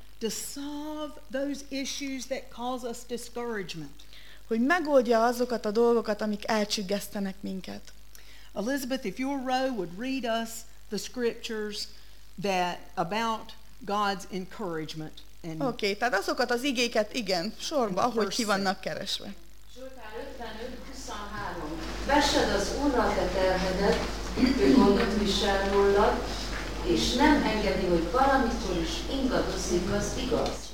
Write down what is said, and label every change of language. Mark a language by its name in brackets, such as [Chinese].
[English] To solve those issues that cause us discouragement. [Hungarian] Hogy megoldja azokat a dolgokat, amik elcsüggesztenek minket. [English] Elizabeth, if your row would read us the scriptures that about God's encouragement. [Hungarian] Oké, okay, tehát azokat az igéket, igen, sorba, hogy ki vannak keresve. Zsoltár 55:23. Vessed az Úrral te terhedet, ő gondot visel rólad, és nem engedi, hogy valamitől is ingadozik az igaz.